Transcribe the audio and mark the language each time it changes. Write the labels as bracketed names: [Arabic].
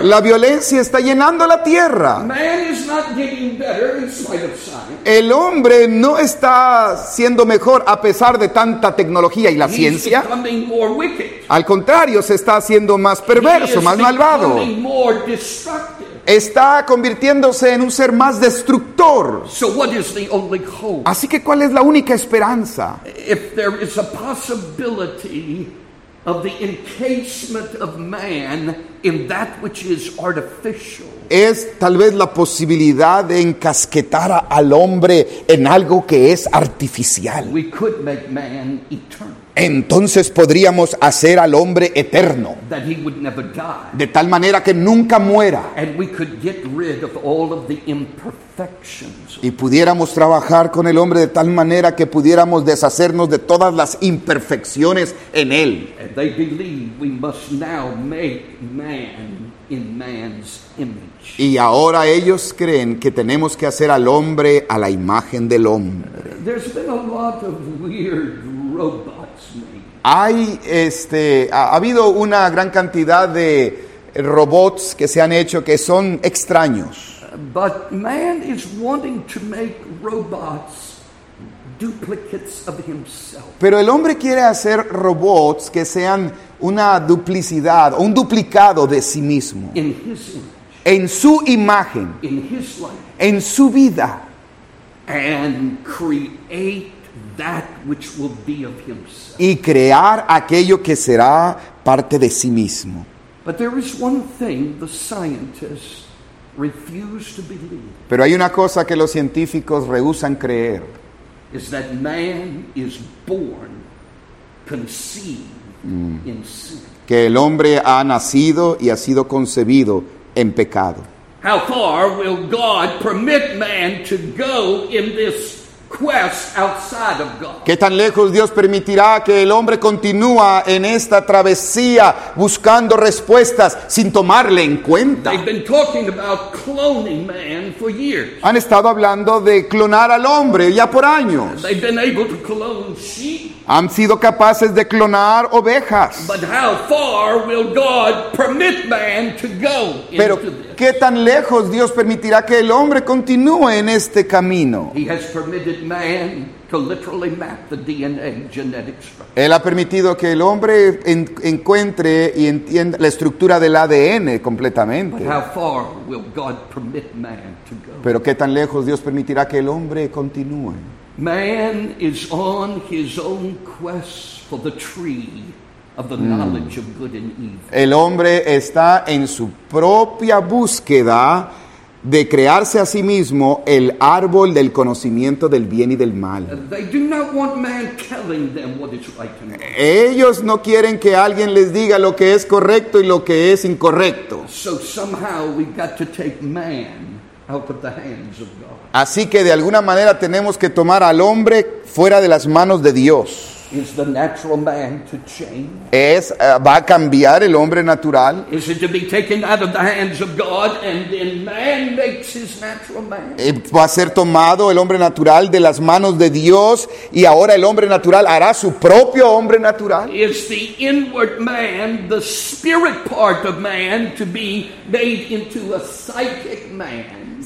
[Spanish] La violencia está llenando la tierra. [English] Man is not getting better in spite of science. [Spanish] El hombre no está siendo mejor a pesar de tanta tecnología y la ciencia. [English] He's becoming more wicked. [Spanish] Al contrario, se está haciendo más perverso, más malvado. [English] More destructive. [Spanish] Está convirtiéndose en un ser más destructor. [English] So what is the only hope? [Spanish] Así que, ¿cuál es la única esperanza? [English] If there is a possibility of the encasement of man in that which is artificial. [Spanish] Es tal vez la posibilidad de encasquetar al hombre en algo que es artificial. [English] We could make man eternal. [Spanish] Entonces podríamos hacer al hombre eterno. [English] That he would never die. [Spanish] De tal manera que nunca muera. [English] And we could get rid of all of the imperfections. [Spanish] Y pudiéramos trabajar con el hombre de tal manera que pudiéramos deshacernos de todas las imperfecciones en él. [English] And they believe we must now make man in man's image. [Spanish] Y ahora ellos creen que tenemos que hacer al hombre a la imagen del hombre. [English] There's been a lot of weird robots. [Spanish] Ha habido una gran cantidad de robots que se han hecho que son extraños. [English] But man is wanting to make robots duplicates of himself. [Spanish] Pero el hombre quiere hacer robots que sean una duplicidad o un duplicado de sí mismo. [English] In his image. [Spanish] En su imagen. [English] In his life. [Spanish] En su vida. [English] And create that which will be of himself. [Spanish] Y crear aquello que será parte de sí mismo. [English] But there is one thing the scientists refuse to believe. [Spanish] Pero hay una cosa que los científicos rehúsan creer. [English] Is that man is born, conceived in sin. [Spanish] Que el hombre ha nacido y ha sido concebido en pecado. [English] How far will God permit man to go in this quest outside of God? [Spanish] ¿Qué tan lejos Dios permitirá que el hombre continúa en esta travesía buscando respuestas sin tomarle en cuenta? [English] They've been talking about cloning man for years. [Spanish] Han estado hablando de clonar al hombre ya por años. [English] They've been able to clone sheep. [Spanish] Han sido capaces de clonar ovejas. [English] But how far will God permit man to go into this? [Spanish] Pero ¿qué tan lejos Dios permitirá que el hombre continúe en este camino? [English] He has permitted man to literally map the DNA genetic structure. [Spanish] Él ha permitido que el hombre encuentre y entienda la estructura del ADN completamente. [English] But how far will God permit man to go? [Spanish] Pero ¿qué tan lejos Dios permitirá que el hombre continúe? [English] Man is on his own quest for the tree of the knowledge of good and evil. [Spanish] El hombre está en su propia búsqueda de crearse a sí mismo el árbol del conocimiento del bien y del mal. [English] They do not want man telling them what is right and wrong. [Spanish] Ellos no quieren que alguien les diga lo que es correcto y lo que es incorrecto. [English] So somehow we've got to take man out of the hands of God. [Spanish] Así que de alguna manera tenemos que tomar al hombre fuera de las manos de Dios. [English] Is the natural man to change? [Spanish] ¿Va a cambiar el hombre natural? [English] Is it to be taken out of the hands of God and then man makes his natural man? [Spanish] ¿Va a ser tomado el hombre natural de las manos de Dios y ahora el hombre natural hará su propio hombre natural? [English] Is the inward man, the spirit part of man, to be made into a psychic man?